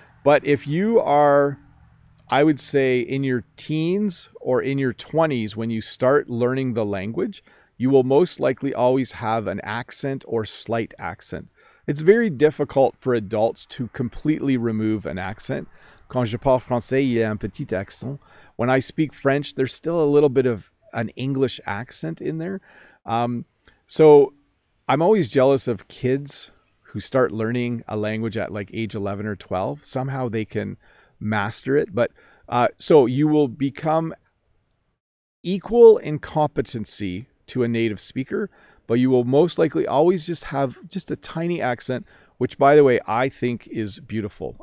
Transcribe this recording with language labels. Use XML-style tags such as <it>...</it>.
<en>But if you are, I would say, in your teens or in your 20s, when you start learning the language, you will most likely always have an accent or slight accent. It's very difficult for adults to completely remove an accent.</en> <fr>Quand je parle français, il y a un petit accent.</fr> <en>When I speak French, there's still a little bit of an English accent in there. So I'm always jealous of kids who start learning a language at like age 11 or 12. Somehow they can master it. But so you will become equal in competency to a native speaker, but you will most likely always just have just a tiny accent, which, by the way, I think is beautiful.</en>